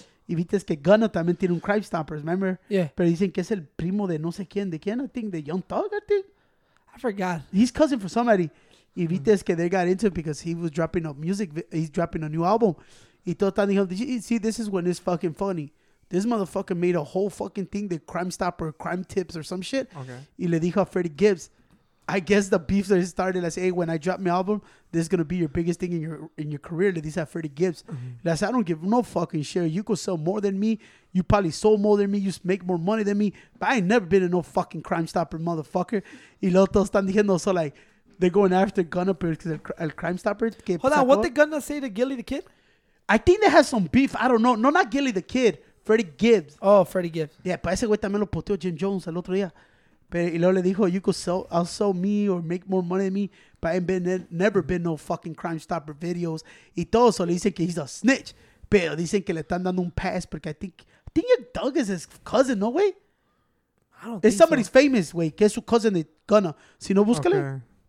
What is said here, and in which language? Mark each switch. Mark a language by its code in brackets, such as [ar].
[es] Y viste que Gunna también tiene un Crime Stopper, remember? [en] Yeah. [es] Pero dicen que es el primo de no sé quién. ¿De quién? [en] I think the Young Thug, I think. I forgot. He's cousin for somebody. [es] Y viste que [en] they got into it because he was dropping a music. He's dropping a new album. [es] Y todo están diciendo, [en] see, this is when it's fucking funny. This motherfucker made a whole fucking thing, the Crime Stopper, Crime Tips or some shit. Okay. [es] Y le dijo a [en] Freddie Gibbs, I guess the beef that started, like, hey, when I drop my album, this is going to be your biggest thing in your career. [es] Le dice a Freddie Gibbs. [en] Mm-hmm. Said, I don't give no fucking shit. You could sell more than me. You probably sold more than me. You make more money than me. But I ain't never been in no fucking Crime Stopper, motherfucker. [es] Y los dos están diciendo, [en] so like, they're going after Gunna because el Crime Stopper. Hold on, what did Gunna say to Gilly the Kid? I think they had some beef. I don't know. No, not Gilly the Kid. Freddie Gibbs. [es] Yeah, pero ese güey también lo posteó Jim Jones el otro día. Pero, y luego le dijo, [en] you could sell, I'll sell me or make more money than me, but I ain't never been no fucking Crime Stopper videos. [es] Y todo eso le dicen que [en] he's a snitch. [es] Pero dicen que le están dando un pass porque [en] I think your dog is his cousin, [es] no güey? [en] I don't think it's somebody's so. [es] Famous, güey, que es su cousin de Gunna. Si no, búscale. Okay.